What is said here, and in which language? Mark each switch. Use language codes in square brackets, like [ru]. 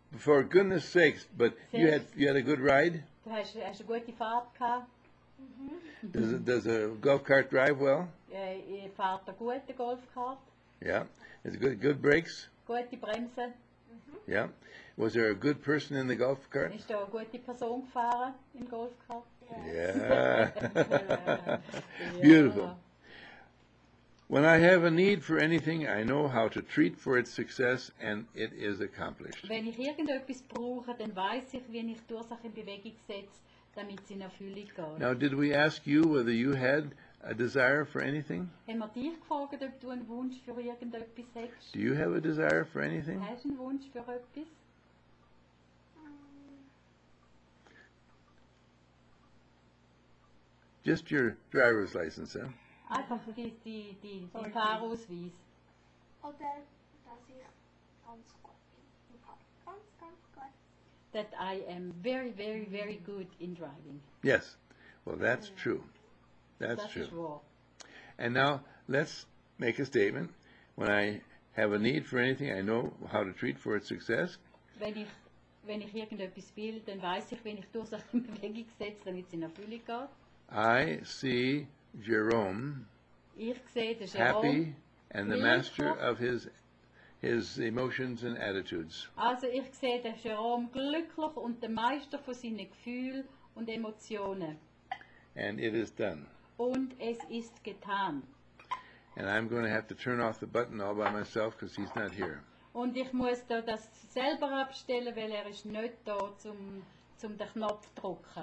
[en] For goodness sakes, but you had a good ride? [de] Hast du gute Fahrt gehabt? [en] Does a golf cart drive well? [de] Ich fahre gute Golfkart. [en] Yeah. Is it good brakes? [de] Gute Bremse. [en] Yeah. Was there a good person in the golf cart? [de] Ist da eine gute Person gefahren im Golf cart? [en] Yeah. Beautiful. When I have a need for anything, I know how to treat for its success, and it is accomplished. [de] Wenn ich irgendetwas brauche, dann weiß ich, wie ich die Ursache in Bewegung setze, damit sie in Erfüllung geht. [en] Now, did we ask you whether you had a desire for anything? [de] Haben wir dich gefragt, ob du einen Wunsch für irgendetwas hast? [en] Do you have a desire for anything? [de] Hast du einen Wunsch für etwas? [en] Just your driver's license, huh? [de] Einfach die Fahrausweis. Oder dass ich ganz gut bin. [en] That I am very, very, very good in driving. Yes. Well, that's true. That's true. And now, let's make a statement. When I have a need for anything, I know how to treat for its success. [de] Wenn ich irgendetwas will, dann weiß ich, wenn ich die Ursache in Bewegung setze, damit es in Erfüllung geht. [en] I see Jerome, [de] ich sehe den Jerome [en] happy and the master of his emotions and attitudes. [de] Also ich sehe den Jerome glücklich und der Meister von seinen Gefühlen und Emotionen. [en] And it is done. [de] Und es ist getan. [en] And I'm going to have to turn off the button all by myself because he's not here. [de] Und ich muss da das selber abstellen, weil er ist nicht da zum den Knopf drücken.